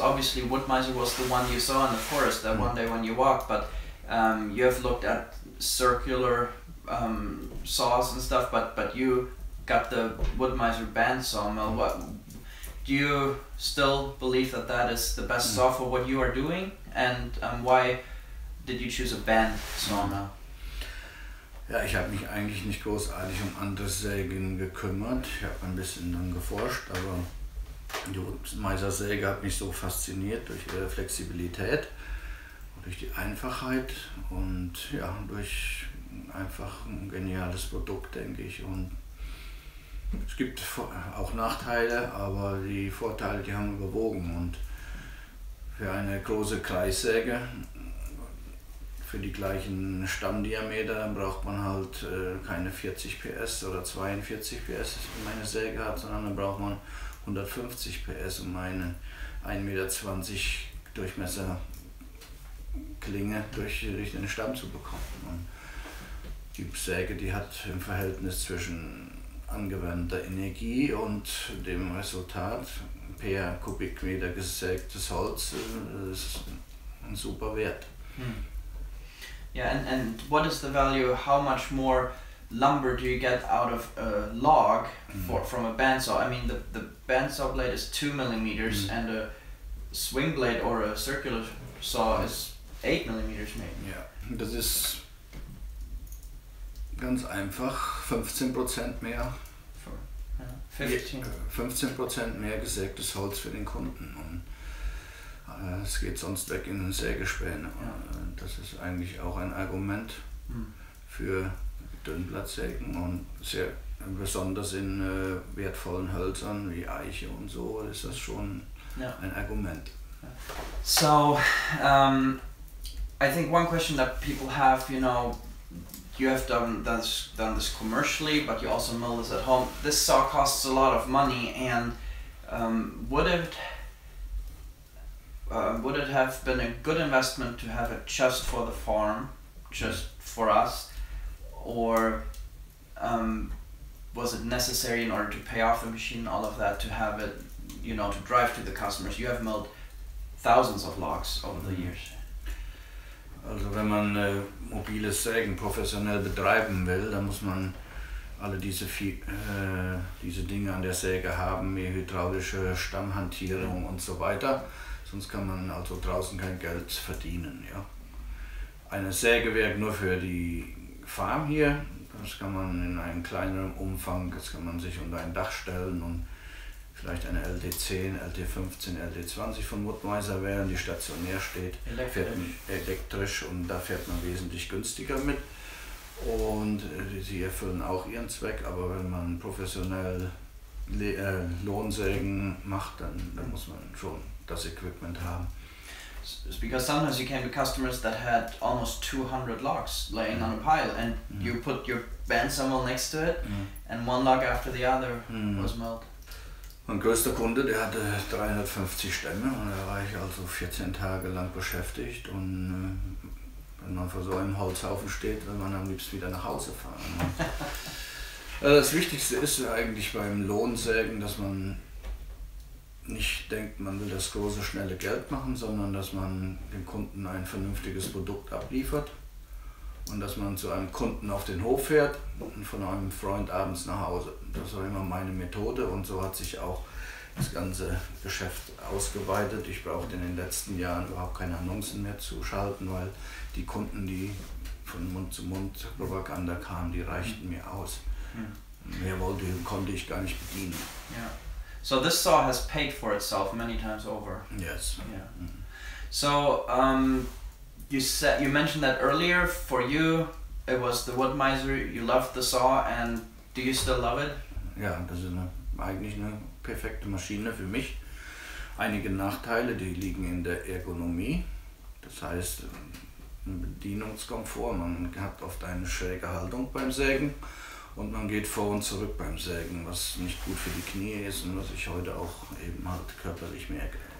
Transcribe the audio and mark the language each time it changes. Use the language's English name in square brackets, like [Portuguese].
[English] Obviously, Woodmiser was the one you saw in the forest that one day when you walked, but you have looked at circular saws and stuff, but you got the Woodmiser band sawmill. What, do you still believe that that is the best saw for what you are doing? And why did you choose a band sawmill? [German] Ja, ich habe mich eigentlich nicht großartig um andere Sägen gekümmert. Ich habe ein bisschen dann geforscht, aber die Woodmiser Säge hat mich so fasziniert durch ihre Flexibilität, durch die Einfachheit und ja, durch einfach ein geniales Produkt, denke ich. Und es gibt auch Nachteile, aber die Vorteile, die haben überwogen. Und für eine große Kreissäge, für die gleichen Stammdiameter, dann braucht man halt keine 40 PS oder 42 PS, wie meine Säge hat, sondern dann braucht man 150 PS, um eine 1,20 Meter Durchmesser Klinge durch den Stamm zu bekommen. Und die Säge, die hat im Verhältnis zwischen angewandter Energie und dem Resultat per Kubikmeter gesägtes Holz, ist ein super Wert. [English] Yeah, and what is the value, how much more lumber do you get out of a log from a bandsaw? I mean, the bandsaw blade is 2 millimeters and a swing blade or a circular saw is 8 millimeters maybe. [German] Ja, das ist ganz einfach, 15% mehr. 15% mehr gesägtes Holz für den Kunden. Und es geht sonst weg in den Sägespäne. Ja. Das ist eigentlich auch ein Argument für Dünnblattsägen und sehr besonders in wertvollen Hölzern wie Eiche und so ist das schon ein Argument. [English] So, I think one question that people have, you know, you have done this commercially, but you also mill this at home. This saw costs a lot of money, and would it have been a good investment to have it just for the farm, just for us, or was it necessary in order to pay off the machine, all of that, to have it, you know, to drive to the customers? You have milled thousands of logs over the years. [German] Also wenn man mobile Sägen professionell betreiben will, dann muss man alle diese Dinge an der Säge haben, wie hydraulische Stammhantierung und so weiter. Sonst kann man also draußen kein Geld verdienen. Ja. Eine Säge wäre nur für die Farm hier. Das kann man in einem kleineren Umfang, das kann man sich unter ein Dach stellen und vielleicht eine LD10, LD15, LD20 von Woodmiser wählen, die stationär steht, elektrisch und da fährt man wesentlich günstiger mit. Und sie erfüllen auch ihren Zweck, aber wenn man professionell Lohnsägen macht, dann muss man schon das Equipment haben. [English] It's because sometimes you came to customers that had almost 200 logs laying on a pile and you put your bandsaw mill next to it and one log after the other was milled. [German] Mein größter Kunde, der hatte 350 Stämme und da war ich also 14 Tage lang beschäftigt und wenn man vor so einem Holzhaufen steht, will man am liebsten wieder nach Hause fahren. Das Wichtigste ist eigentlich beim Lohnsägen, dass man nicht denkt, man will das große, schnelle Geld machen, sondern dass man dem Kunden ein vernünftiges Produkt abliefert und dass man zu einem Kunden auf den Hof fährt und von einem Freund abends nach Hause. Das war immer meine Methode und so hat sich auch das ganze Geschäft ausgeweitet. Ich brauchte in den letzten Jahren überhaupt keine Annoncen mehr zu schalten, weil die Kunden, die von Mund zu Mund Propaganda kamen, die reichten mir aus. Mehr wollte und konnte ich gar nicht bedienen. [English] So this saw has paid for itself many times over. Yes. So you said, you mentioned that earlier, for you it was the Woodmiser, you loved the saw, and do you still love it? [German] Ja, das ist eigentlich eine perfekte Maschine für mich. Einige Nachteile, die liegen in der Ergonomie, das heißt Bedienungskomfort. Man hat oft eine schräge Haltung beim Sägen und man geht vor und zurück beim Sägen, was nicht gut für die Knie ist und was ich heute auch eben halt körperlich merke.